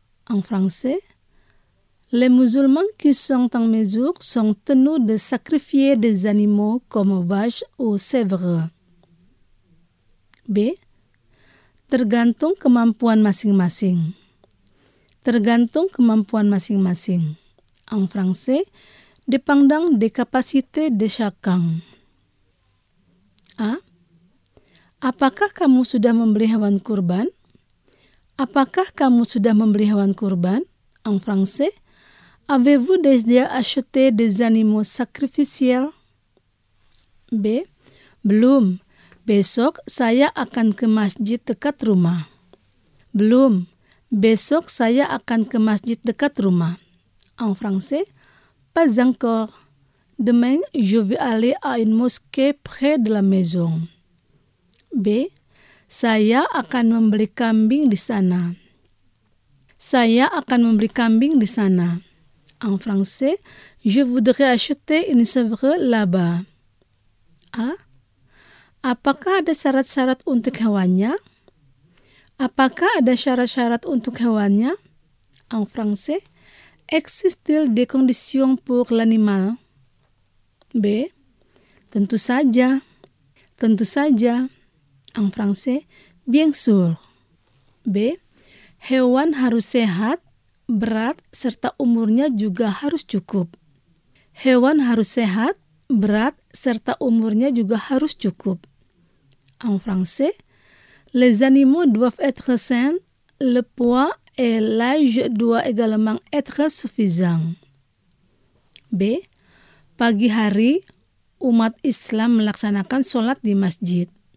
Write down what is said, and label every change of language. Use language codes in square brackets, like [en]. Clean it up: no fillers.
[fr] En français, les musulmans qui sont en mesure sont tenus de sacrifier des animaux comme vaches ou chèvres. [id] B. Tergantung kemampuan masing-masing. tergantung kemampuan masing-masing. [fr] En français, dépendant des capacités de chacun. A. [id] Apakah kamu sudah membeli hewan kurban? Apakah kamu sudah membeli hewan kurban? [fr] En français, avez-vous déjà acheté des animaux sacrificiels? [id] B. Belum. Besok saya akan ke masjid dekat rumah. Belum. Besok saya akan ke masjid dekat rumah. [fr] En français, pas encore. Demain, je vais aller à une mosquée près de la maison. B. [id] Saya akan membeli kambing di sana. Saya akan membeli kambing di sana. [fr] En français, je voudrais acheter une chèvre là-bas. A. [id] Apakah ada syarat-syarat untuk hewannya? Apakah ada syarat-syarat untuk hewannya? [fr] En français, existe-t-il des conditions pour l'animal? [id] B. Tentu saja. Tentu saja. [fr] En français, bien sûr. B. [id] Hewan harus sehat, berat, serta umurnya juga harus cukup. Hewan harus sehat, berat, serta umurnya juga harus cukup. [fr] En français, les animaux doivent être sains, le poids et l'âge doivent également être suffisants. B. [id] Pagi hari, umat Islam melaksanakan sholat di masjid.